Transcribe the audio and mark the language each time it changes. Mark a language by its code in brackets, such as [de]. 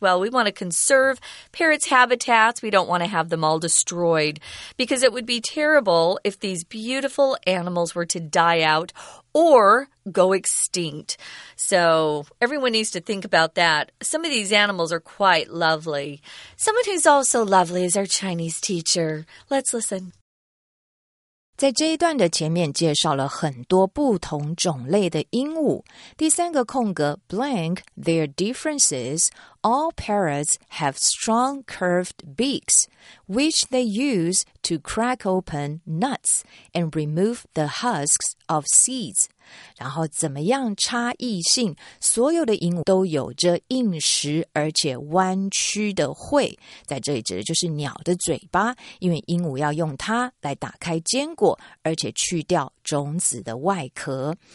[en] Well, we want to conserve parrots' habitats. We don't want to have them all destroyed because it would be terrible terrible if these beautiful animals were to die out or go extinct. So everyone needs to think about that. Some of these animals are quite lovely. Someone who's also lovely is our Chinese teacher. Let's listen. [zh] 在这一段的前面介绍了很多不同种类的鹦鹉。第三个空格 [en] blank, their differences, all parrots have strong curved beaks, which they use to crack open nuts and remove the husks of seeds. [zh] 然后怎么样差异性，所有的鹦鹉都有着硬实而且弯曲的喙，在这里指的就是鸟的嘴巴，因为鹦鹉要用它来打开坚果，而且去掉种子的外壳。